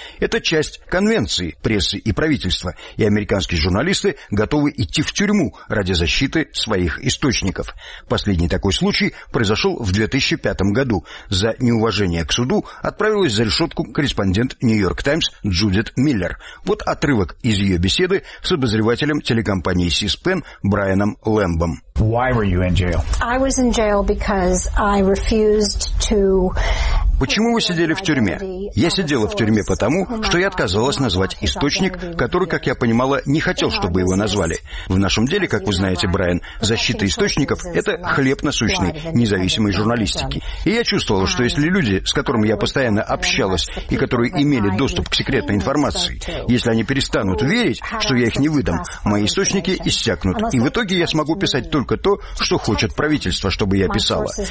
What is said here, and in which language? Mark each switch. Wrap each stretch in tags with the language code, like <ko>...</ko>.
<ru>Это часть конвенции прессы и правительства, и американские журналисты готовы идти в тюрьму ради защиты своих источников. Последний такой случай произошел в 2005 году. За неуважение к суду отправилась за решетку корреспондент «Нью-Йорк Таймс» Джудит Миллер. Вот отрывок из ее беседы с обозревателем телекомпании C-SPAN Брайаном Лэмбом.</ru> <en>Why were you in jail? I was in jail because I refused to.</en> <ru>Почему вы сидели в тюрьме? Я сидела в тюрьме потому, что я отказалась назвать источник, который, как я понимала, не хотел, чтобы его назвали. В нашем деле, как вы знаете, Брайан, защита источников – это хлеб насущный независимой журналистики. И я чувствовала, что если люди, с которыми я постоянно общалась и которые имели доступ к секретной информации, если они перестанут верить, что я их не выдам, мои источники иссякнут, и в итоге я смогу писать только то, что хочет правительство, чтобы я писала.</ru>